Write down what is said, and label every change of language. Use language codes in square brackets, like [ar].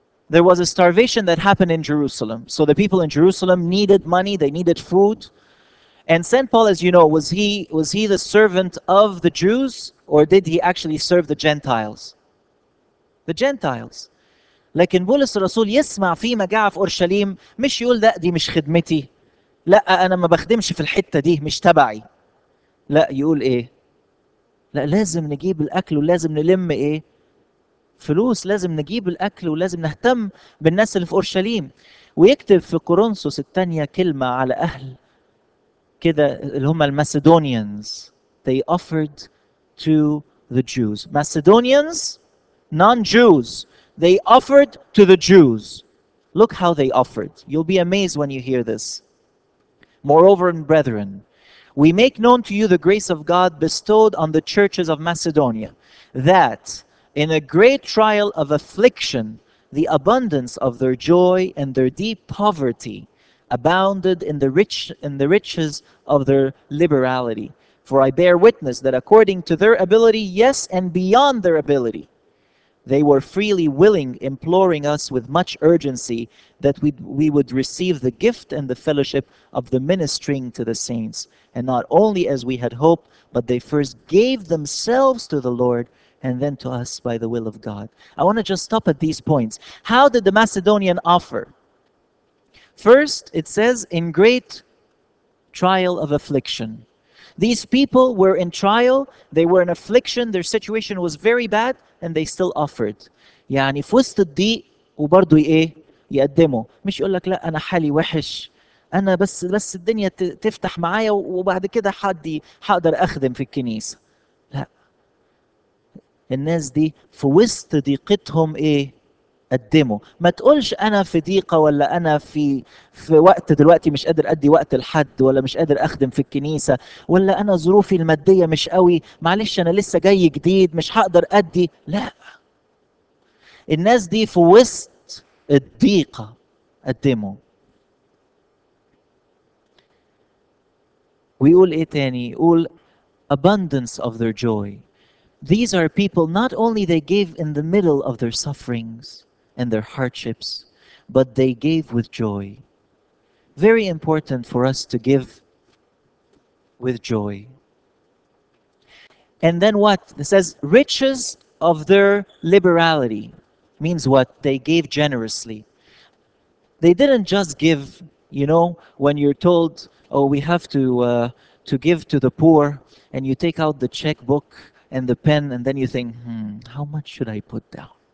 [en] There was a starvation that happened in Jerusalem. So the people in Jerusalem needed money, they needed food. And St. Paul, as you know, was he the servant of the Jews, or did he actually serve the Gentiles? The Gentiles. [ar] لكن بولس الرسول يسمع في مجاعة في أورشليم مش يقول لا دي مش خدمتي لا أنا ما بخدمش في الحتة دي مش تبعي لا يقول إيه لا لازم نجيب الأكل ولازم نلم إيه فلوس لازم نجيب الأكل ولازم نهتم بالناس اللي في أورشليم ويكتب في كورنثوس الثانية كلمة على أهل كده اللي هم المسيدونيانز [en] they offered to the Jews Macedonians non-Jews They offered to the Jews. Look how they offered. You'll be amazed when you hear this. Moreover, brethren, we make known to you the grace of God bestowed on the churches of Macedonia, that in a great trial of affliction, the abundance of their joy and their deep poverty abounded in the riches of their liberality. For I bear witness that according to their ability, yes, and beyond their ability, they were freely willing, imploring us with much urgency that we would receive the gift and the fellowship of the ministering to the saints. And not only as we had hoped, but they first gave themselves to the Lord and then to us by the will of God. I want to just stop at these points. How did the Macedonian offer? First, it says, in great trial of affliction. These people were in trial, they were in affliction, their situation was very bad, and they still offered. [ar] يعني في وسط الضيق وبرضه ايه؟ يقدموا. مش يقول لك لا انا حالي وحش، انا بس الدنيا تفتح معايا وبعد كده حدي حقدر اخدم في الكنيسة. لا. الناس دي في وسط ضيقتهم ايه؟ قدموا. ما تقولش انا في ضيقة ولا انا في وقت دلوقتي مش قادر ادي وقت لحد ولا مش قادر اخدم في الكنيسة ولا انا ظروفي المادية مش قوي معلش انا لسه جاي جديد مش هقدر ادي لا الناس دي في وسط الضيقة قدموا ويقول ايه تاني يقول [en] abundance of their joy these are people not only they gave in the middle of their sufferings and their hardships, but they gave with joy. Very important for us to give with joy. And then what? It says, riches of their liberality. Means what? They gave generously. They didn't just give, you know, when you're told, oh, we have to give to the poor, and you take out the checkbook and the pen, and then you think, how much should I put down?